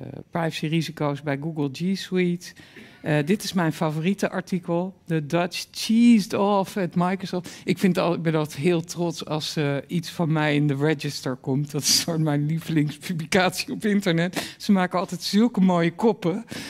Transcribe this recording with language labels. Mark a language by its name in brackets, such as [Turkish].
[Dutch] Privacy risico's bij Google G Suite. Dit is mijn favoriete artikel. [English] The Dutch cheesed off at Microsoft. [Dutch] Ik ben altijd heel trots als iets van mij in de Register komt. Dat is soort mijn lievelingspublicatie op internet. Ze maken altijd zulke mooie koppen.